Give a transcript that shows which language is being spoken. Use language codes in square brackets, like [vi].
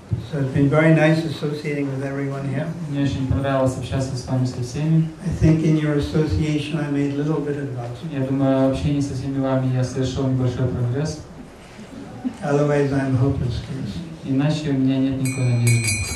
[en] So it's been very nice associating with everyone here. [ru] Мне очень понравилось общаться с вами, со всеми. [en] I think in your association I made a little bit of advance. [ru] Я думаю, общение со всеми вами я совершил небольшой прогресс. [en] Otherwise I'm hopeless case. [ru] Иначе у меня нет никакой надежды.